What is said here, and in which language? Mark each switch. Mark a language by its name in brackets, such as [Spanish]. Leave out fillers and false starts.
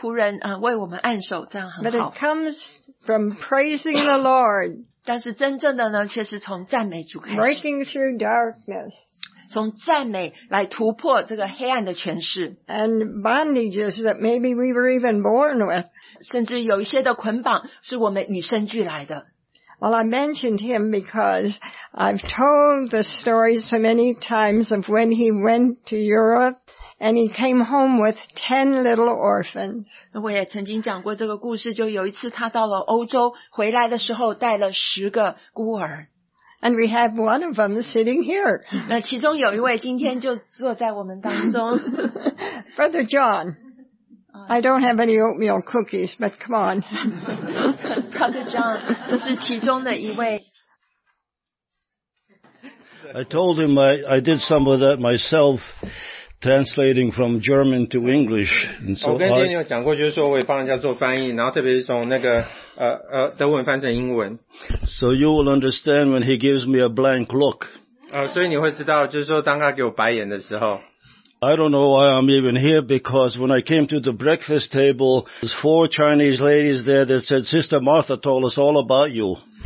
[Chinese] 如果有神的仆人为我们按手，这样很好。 [English] But it comes from praising the Lord. [Chinese] 但是真正的呢，却是从赞美主开始。 [English] Breaking through darkness. [Chinese] 从赞美来突破这个黑暗的权势。 [English] And bondages that maybe we were even born with. [Chinese] 甚至有一些的捆绑是我们与生俱来的。 [English] Well, I mentioned him because I've told the story so many times of when he went to Europe. And he came home with 10 little orphans. [Chinese] 我也曾经讲过这个故事，就有一次他到了欧洲，回来的时候带了10个孤儿。 [English] And we have one of them sitting here. [Chinese] 那其中有一位今天就坐在我们当中。 [English] Brother John, I don't have any oatmeal cookies, but come on. [Chinese] Brother John 就是其中的一位。 [English] I told him I did some of that myself, translating from German to English. And so [Chinese] 我跟Daniel有讲过，就是说我也帮人家做翻译，然后特别是从那个德文翻成英文。 [English] So you will understand when he gives me a blank look. [Chinese] 所以你会知道，就是说当他给我白眼的时候。 [English] I don't know why I'm even here, because when I came to the breakfast table, there's four Chinese ladies there that said, Sister Martha told us all about you.